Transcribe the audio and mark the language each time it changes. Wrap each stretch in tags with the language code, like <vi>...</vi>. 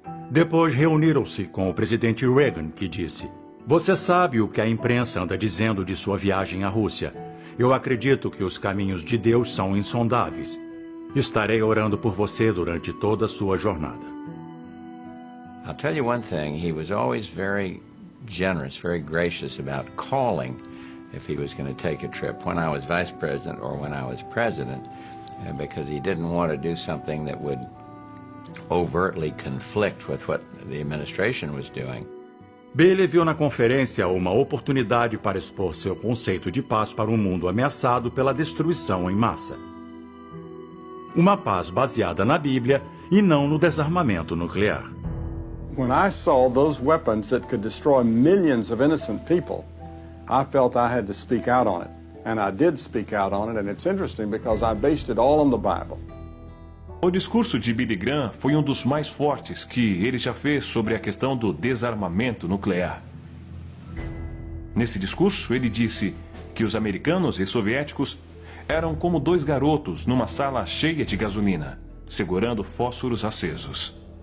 <pt>Depois reuniram-se com o presidente Reagan, que disse: você sabe o que a imprensa anda dizendo de sua viagem à Rússia. Eu acredito que os caminhos de Deus são insondáveis. Estarei orando por você durante toda a sua jornada.</pt> <en>I'll tell you one thing, he was always very generous, very gracious about calling if he was going to take a trip, when I was vice president or when I was president, because he didn't want to do something that would overtly conflict with what the administration was doing.</en> <pt>Billy viu na conferência uma oportunidade para expor seu conceito de paz para um mundo ameaçado pela destruição em massa. Uma paz baseada na Bíblia e não no desarmamento nuclear.</pt> <en>When I saw those weapons that could destroy millions of innocent people, I felt I had to speak out on it, and I did speak out on it, and it's interesting because I based it all on the Bible.</en> <pt>O discurso de Billy Graham foi um dos mais fortes que ele já fez sobre a questão do desarmamento nuclear. Nesse discurso, ele disse que os americanos e soviéticos eram como dois garotos numa sala cheia de gasolina, segurando fósforos acesos.</pt>